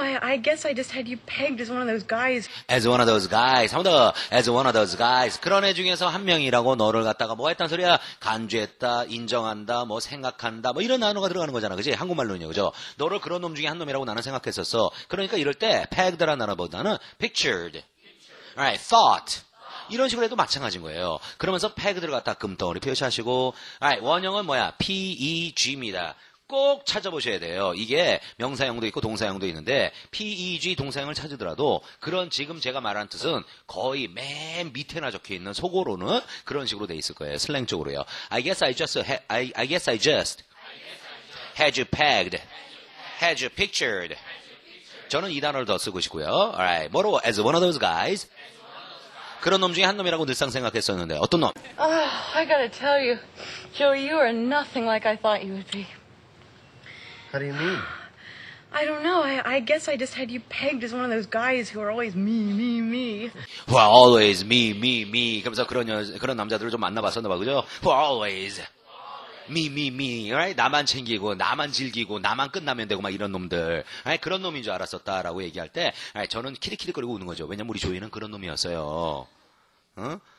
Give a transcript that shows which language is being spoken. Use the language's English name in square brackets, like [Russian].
[English] I guess I just had you pegged as one of those guys. As one of those guys. [Korean] 한번 더. [English] As one of those guys. [Korean] 그런 애 중에서 한 명이라고 너를 갖다가 뭐 했단 소리야? 간주했다, 인정한다, 뭐 생각한다, 뭐 이런 단어가 들어가는 거잖아. 그지? 한국말로는요. 그죠? 너를 그런 놈 중에 한 놈이라고 나는 생각했었어. 그러니까 이럴 때 pegged라는 단어보다는 pictured. Alright. Thought. 이런 식으로 해도 마찬가지인 거예요. 그러면서 pegged를 갖다 금덩어리 표시하시고. Alright. 원형은 뭐야? PEG입니다. 꼭 찾아보셔야 돼요. 이게 명사형도 있고 동사형도 있는데 PEG 동사형을 찾으더라도 그런 지금 제가 말한 뜻은 거의 맨 밑에나 적혀있는 속어로는 그런 식으로 돼 있을 거예요. 슬랭 쪽으로요. [English] I guess I just, I guess I just had you pegged, had you pictured. [Korean] 저는 이 단어를 더 쓰고 싶고요. Alright, 뭐로? [English] As one of those guys. [Korean] 그런 놈 중에 한 놈이라고 늘상 생각했었는데 어떤 놈? [English] I gotta tell you, Joey, you are nothing like I thought you would be. How do you mean? I don't know. I guess I just had you pegged as one of those guys who are always me, me, me. Who are always me, me, me. [Korean] 그러면서 그런 여, 그런 남자들을 좀 만나봤었나 봐, 그죠? [English] Who are always me, me, me. Right? [Korean] 나만 챙기고, 나만 즐기고, 나만 끝나면 되고, 막 이런 놈들. Right? 그런 놈인 줄 알았었다. 라고 얘기할 때, right? 저는 키리키리거리고 우는 거죠. 왜냐면 우리 조이는 그런 놈이었어요. 응?